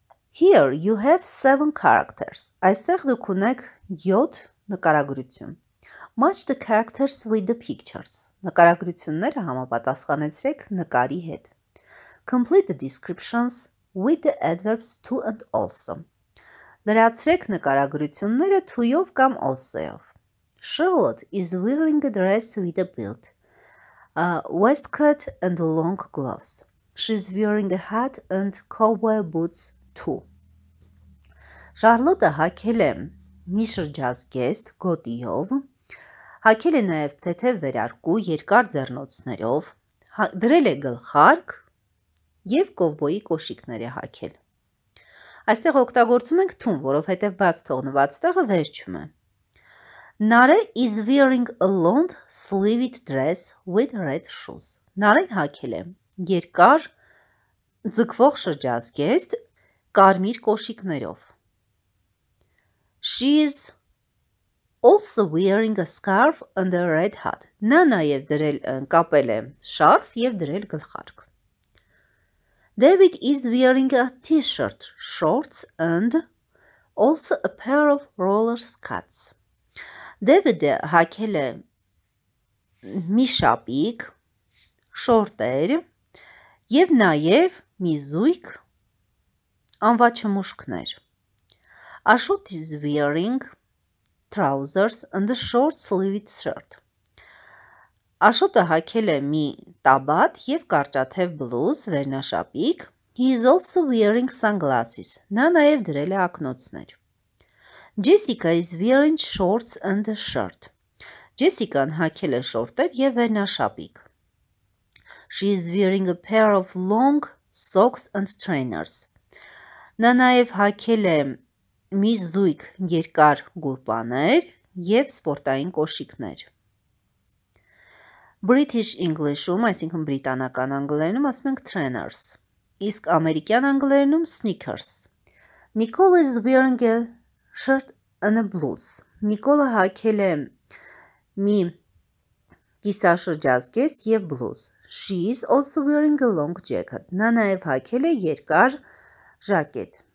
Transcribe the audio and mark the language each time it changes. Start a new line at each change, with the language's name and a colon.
English: Here you have 7 characters.
Armenian: Այստեղ դուք ունեք 7 նկարագրություն։
English: Match the characters with the pictures.
Armenian: Նկարագրությունները համապատասխանեցրեք նկարի հետ։
English: Complete the descriptions with the adverbs to and also.
Armenian: Լրացրեք նկարագրությունները to-ով կամ also-ով.
English: Charlotte is wearing a dress with a belt, a waistcoat and long gloves. She's wearing a hat and cowboy boots too.
Armenian: Շարլոտը հագել է մի շրջազգեստ գոտիով, հագել է նաև թեթև վերարկու երկար ձեռնոցներով, դրել է գլխարկ և կովբոյի կոշիկներ է հագել։ Այստեղ օգտագործում ենք to-ն, որովհետև բաց թողնված տեղը վերջում է։
English: Nare is wearing a long sleeved dress with red shoes.
Armenian: Նարեն հագել է երկար ձգվող շրջազգեստ կարմիր կոշիկներով.
English: She is also wearing a scarf and a red hat.
Armenian: Նա նաև դրել կապել է շարֆ եւ դրել գլխարկ.
English: David is wearing a t-shirt, shorts and also a pair of roller skates.
Armenian: David-ը հագել է մի շապիկ, շորտեր եւ նաեւ մի զույգ անվաչմուշկներ.
English: Աշոտ is wearing trousers and a short sleeved shirt.
Armenian: Աշոտը հագել է մի տաբատ եւ կարճաթև բլուզ, վերնաշապիկ.
English: He is also wearing sunglasses.
Armenian: Նա նաեւ դրել է ակնոցներ.
English: Jessica is wearing shorts and a shirt.
Armenian: Jessica-ն հագել է շորտեր եւ վերնաշապիկ.
English: She is wearing a pair of long socks and trainers.
Armenian: Նա նաեւ հագել է մի զույգ երկար գուրպաներ եւ սպորտային կոշիկներ. British English-ում, այսինքն բրիտանական անգլերենում ասում ենք trainers, իսկ ամերիկյան անգլերենում sneakers.
English: Nicole is wearing a shirt and a blouse.
Armenian: Nicole-ը հագել է մի կիսաշրջազգեստ եւ բլուզ.
English: She is also wearing a long jacket.
Armenian: Նա նաև հագել է երկար ժակետ.